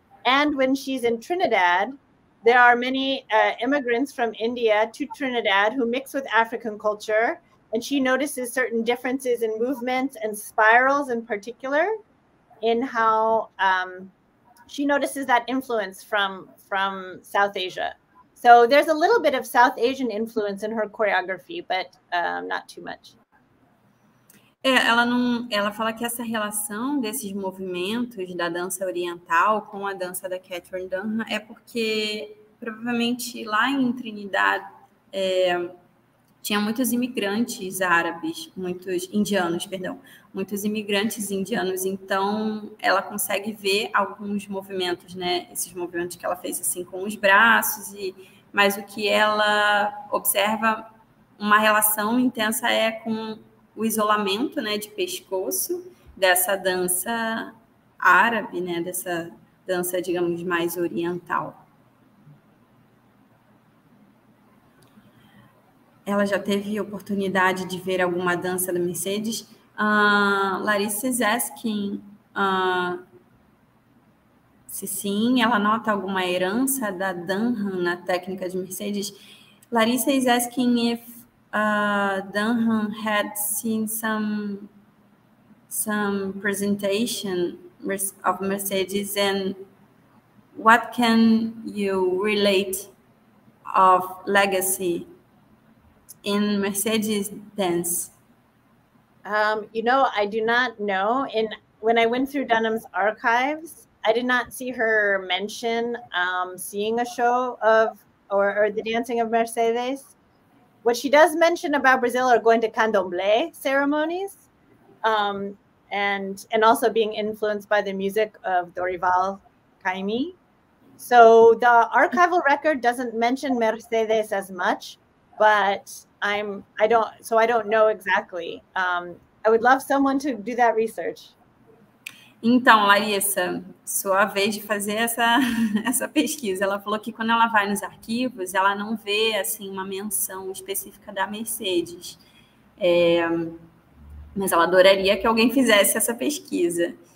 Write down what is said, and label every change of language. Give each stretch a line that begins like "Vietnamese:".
English: And when she's in Trinidad, there are many immigrants from India to Trinidad who mix with African culture, and she notices certain differences in movements and spirals in particular, in how she notices that influence from South Asia. So there's a little bit of South Asian influence in her choreography, but not too much.
Portuguese: É, ela não, ela fala que essa relação desses movimentos da dança oriental com a dança da Catherine Dunham é porque provavelmente lá em Trinidad tinha muitos imigrantes árabes, muitos indianos, perdão, muitos imigrantes indianos, então ela consegue ver alguns movimentos, né, esses movimentos que ela fez assim com os braços, e, mas o que ela observa, uma relação intensa é com o isolamento, né, de pescoço dessa dança árabe, né, dessa dança, digamos, mais oriental. Ela já teve oportunidade de ver alguma dança da Mercedes?
English: Larissa is asking
Portuguese: se sim, ela nota alguma herança da Dunham na técnica de Mercedes?
English: Larissa is asking if Dunham had seen some presentation of Mercedes and what can you relate of legacy in Mercedes dance? You know, I do not know. In when I went through Dunham's archives, I did not see her mention seeing a show of or the dancing of Mercedes. What she does mention about Brazil are going to candomblé ceremonies, and also being influenced by the music of Dorival Caymmi. So the archival record doesn't mention Mercedes as much, but I don't know exactly. I would love someone to do that research.
Portuguese: Então, Larissa, sua vez de fazer essa pesquisa. Ela falou que quando ela vai nos arquivos, ela não vê assim, uma menção específica da Mercedes. É, mas ela adoraria que alguém fizesse essa pesquisa.